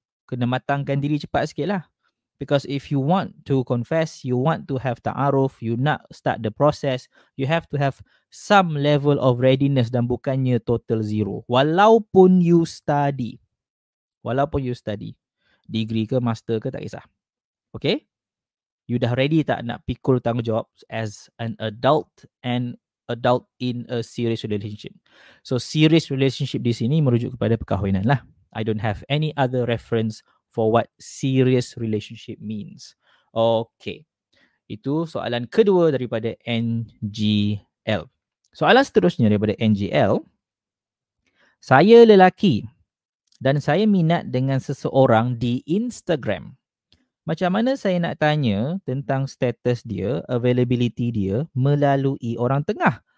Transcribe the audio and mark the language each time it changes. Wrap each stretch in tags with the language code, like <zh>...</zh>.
<ms>Kena matangkan diri cepat sikit lah.</ms> <en>Because if you want to confess, you want to have ta'aruf, you nak start the process, you have to have some level of readiness</en> <ms>dan bukannya</ms> <en>total zero.</en> <ms>Walaupun you study, degree ke master ke tak kisah.</ms> <en>Okay?</en> <ms>You dah ready tak nak pikul tanggungjawab</ms> <en>as an adult and adult in a serious relationship?</en> <ms>So serious relationship di sini merujuk kepada perkahwinan lah.</ms> <en>I don't have any other reference for what serious relationship means. Okay.</en> <ms>Itu soalan kedua daripada NGL. Soalan seterusnya daripada NGL. Saya lelaki dan saya minat dengan seseorang di Instagram. Macam mana saya nak tanya tentang status dia, availability dia melalui orang tengah?</ms>